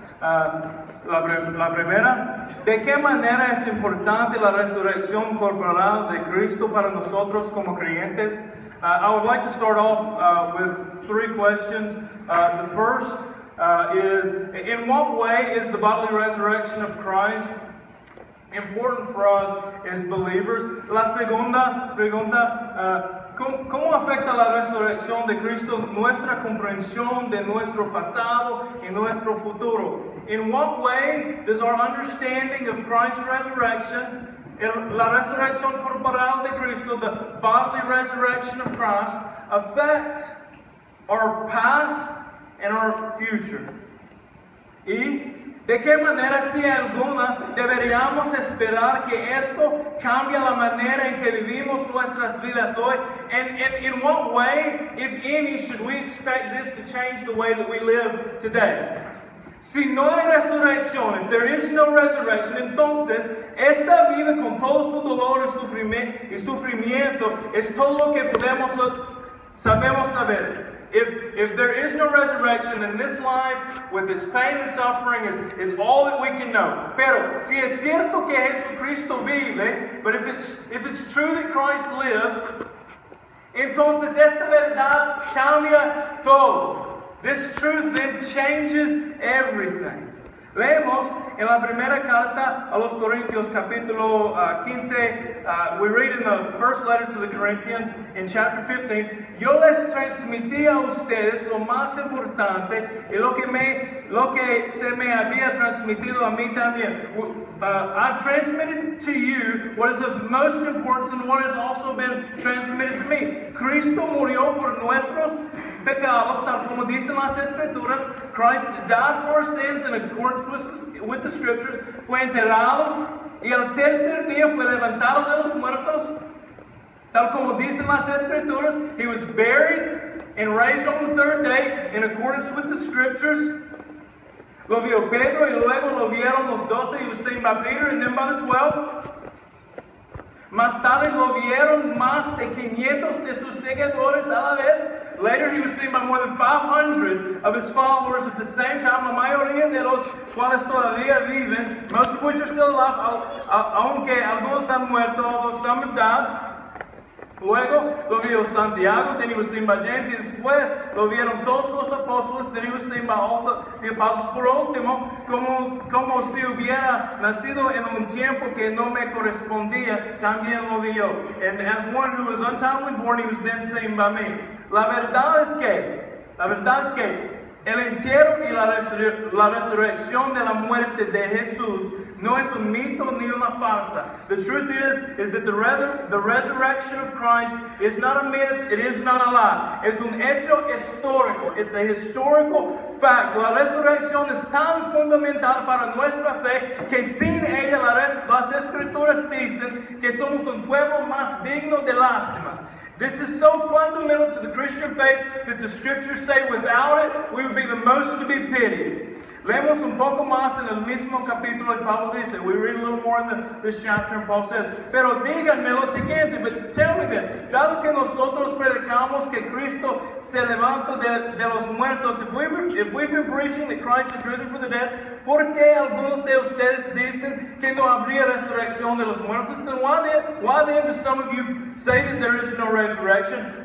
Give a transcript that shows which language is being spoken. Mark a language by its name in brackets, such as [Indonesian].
[Spanish] La primera, ¿de qué manera es importante la resurrección corporal de Cristo para nosotros como creyentes? [English] I would like to start off with three questions. The first is, in what way is the bodily resurrection of Christ important for us as believers? [Spanish] La segunda pregunta, ¿cómo afecta la resurrección de Cristo nuestra comprensión de nuestro pasado y nuestro futuro? [English] In what way does our understanding of Christ's resurrection, [Spanish] la resurrección corporal de Cristo, [English] the bodily resurrection of Christ, affect our past and our future? [Spanish] Y ¿de qué manera, si alguna, deberíamos esperar que esto cambie la manera en que vivimos nuestras vidas hoy? [English] And in what way, if any, should we expect this to change the way that we live today? [Spanish] Si no hay resurrección, [English] if there is no resurrection, [Spanish] entonces, esta vida con todo su dolor y sufrimiento es todo lo que sabemos saber. [English] If there is no resurrection, then this life with its pain and suffering is all that we can know. [Spanish] Pero si es cierto que Jesucristo vive, [English] but if it's true that Christ lives, [Spanish] entonces esta verdad cambia todo. [English] This truth then changes everything. [Spanish] Leemos en la primera carta a los Corintios, capítulo 15. [English] We read in the first letter to the Corinthians, in chapter 15. [Spanish] Yo les transmití a ustedes lo más importante y lo que se me había transmitido a mí también. [English] I transmitted to you what is of most importance and what has also been transmitted to me. [Spanish] Cristo murió por nuestros pecados, tal como dicen las Escrituras. [English] Christ died for our sins in accordance with the Scriptures. [Spanish] Fue enterrado y el tercer día fue levantado de los muertos, tal como dicen las Escrituras. [English] He was buried and raised on the third day in accordance with the Scriptures. [Spanish] Lo vio Pedro y luego lo vieron los doce. [English] He was seen by Peter and then by the 12. [Spanish] Más tarde lo vieron más de 500 de sus seguidores a la vez. [English] Later he was seen by more than 500 of his followers at the same time. [Spanish] La mayoría de los cuales todavía viven, [English] most of which are still alive, [Spanish] aunque algunos han muerto, [English] although some have died. [Spanish] Luego lo vio Santiago, tenemos Simba Gente, y después lo vieron todos los apóstoles, tenemos Simba Ota, y paso por último, como si hubiera nacido en un tiempo que no me correspondía, también lo vio. [English] And as one who was untimely born, he was then seen by me. [Spanish] La verdad es que, el entierro y la resurrección de la muerte de Jesús no es un mito ni una farsa. [English] The truth is that the resurrection of Christ is not a myth, it is not a lie. [Spanish] Es un hecho histórico, [English] it's a historical fact. [Spanish] La resurrección es tan fundamental para nuestra fe que sin ella las escrituras dicen que somos un pueblo más digno de lástima. [English] This is so fundamental to the Christian faith that the scriptures say without it, we would be the most to be pitied. [Spanish] Leemos un poco más en el mismo capítulo y Pablo dice, [English] we read a little more in this chapter and Paul says, [Spanish] pero díganme lo siguiente, [English] but tell me that, [Spanish] dado que nosotros predicamos que Cristo se levantó de los muertos, [English] if we've been preaching that Christ is risen from the dead, [Spanish] ¿por qué algunos de ustedes dicen que no habría resurrección de los muertos? [English] Then why then do some of you say that there is no resurrection?